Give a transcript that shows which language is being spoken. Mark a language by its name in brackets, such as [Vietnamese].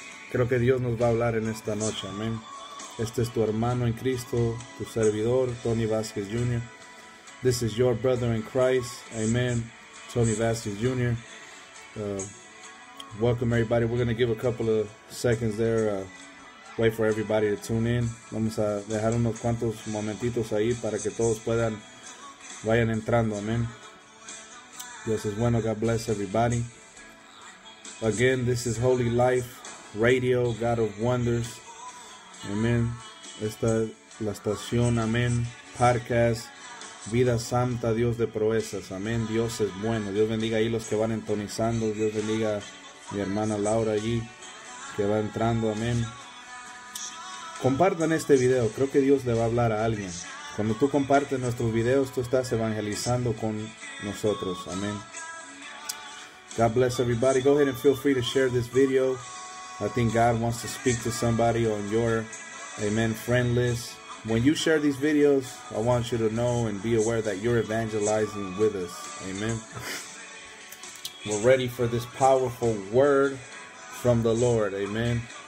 [Spanish] Creo que Dios nos va a hablar en esta noche, amen. Este es tu hermano en Cristo, tu servidor, Tony Vasquez Jr. [English] This is your brother in Christ, amen, Tony Vasquez Jr. Welcome everybody. We're going to give a couple of seconds there, wait for everybody to tune in. [Spanish] Vamos a dejar unos cuantos momentitos ahí para que todos puedan vayan entrando. Amen. Dios es bueno. [English] God bless everybody. Again, this is Holy Life Radio, God of Wonders. [Spanish] Amen. Esta la estación. Amen. Podcast. Vida Santa, Dios de Proezas. Amen. Dios es bueno. Dios bendiga ahí los que van entonizando. Dios bendiga mi hermana Laura allí, que va entrando, amén. Compartan este video, creo que Dios le va a hablar a alguien. Cuando tú compartes nuestros videos, tú estás evangelizando con nosotros, amén. [English] God bless everybody. Go ahead and feel free to share this video. I think God wants to speak to somebody on your, amen, friend list. When you share these videos, I want you to know and be aware that you're evangelizing with us, amén. We're ready for this powerful word from the Lord. Amen.